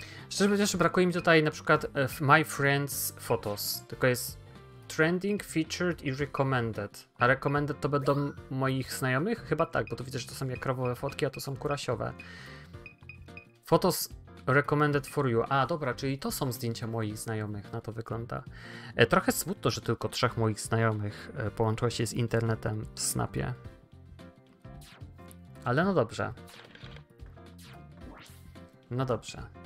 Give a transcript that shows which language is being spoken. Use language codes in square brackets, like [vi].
[pl] Szczerze mówiąc, brakuje mi tutaj na przykład [en] my friends photos. [pl] Tylko jest trending, featured i recommended. A recommended to będą moich znajomych? Chyba tak, bo tu widzę, że to są jakrowe fotki, a to są kurasiowe. [en] Photos recommended for you. [pl] A, dobra, czyli to są zdjęcia moich znajomych, na to wygląda. Trochę smutno, że tylko 3 moich znajomych połączyło się z internetem w Snapie. Ale no dobrze. No dobrze.